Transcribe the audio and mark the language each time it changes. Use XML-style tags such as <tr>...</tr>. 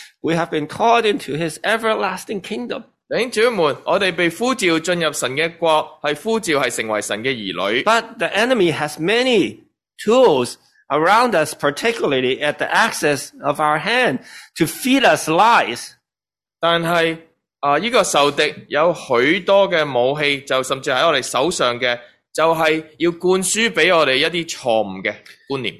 <en>We have been called into His everlasting kingdom.</en> <yue>弟兄姊妹们，我哋被呼召进入神嘅国，系呼召系成为神嘅儿女。</yue> <en>But the enemy has many tools around us, particularly at the axis of our hand, to feed us lies.</en> <yue>但系呢个仇敌有许多嘅武器，就甚至喺我哋手上嘅，就系要灌输俾我哋一啲错误嘅观念。</yue>